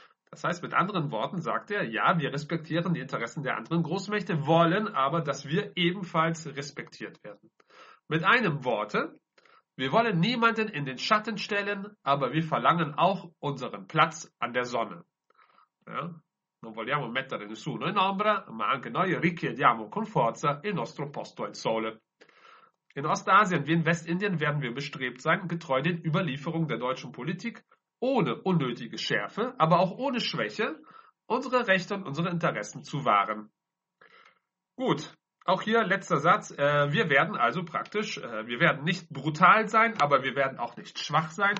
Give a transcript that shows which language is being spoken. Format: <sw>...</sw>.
<de>Das heißt, mit anderen Worten sagt er, ja, wir respektieren die Interessen der anderen Großmächte, wollen aber, dass wir ebenfalls respektiert werden. Mit einem Worte, wir wollen niemanden in den Schatten stellen, aber wir verlangen auch unseren Platz an der Sonne. Ja?</de> <it>Non vogliamo mettere nessuno in ombra, ma anche noi richiediamo con forza il nostro posto al sole.</it> <de>In Ostasien wie in Westindien werden wir bestrebt sein, getreu den Überlieferungen der deutschen Politik, ohne unnötige Schärfe, aber auch ohne Schwäche, unsere Rechte und unsere Interessen zu wahren. Gut. Auch hier, letzter Satz, wir werden also praktisch, wir werden nicht brutal sein, aber wir werden auch nicht schwach sein.</de>